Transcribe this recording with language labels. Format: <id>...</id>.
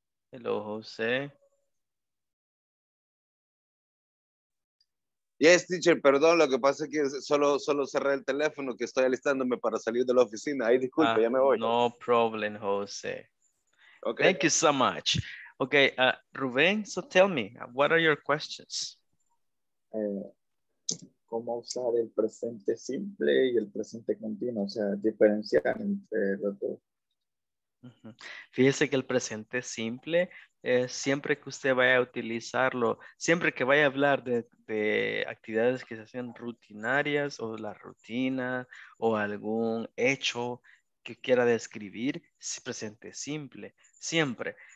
<en>Hello, José. Yes, teacher,</en> <es>perdón, lo que pasa es que solo cerré el teléfono, que estoy alistándome para salir de la oficina. Ay, disculpe, ya me voy.</es> <en>No problem, José. Okay. Thank you so much. Okay, Rubén, so tell me, what are your questions?</en> <es>¿Cómo usar el presente simple y el presente continuo? O sea, diferenciar entre los dos. Fíjese que el presente simple siempre que usted vaya a utilizarlo, siempre que vaya a hablar de actividades que se hacen rutinarias o la rutina o algún hecho que quiera describir, presente simple, siempre.</es>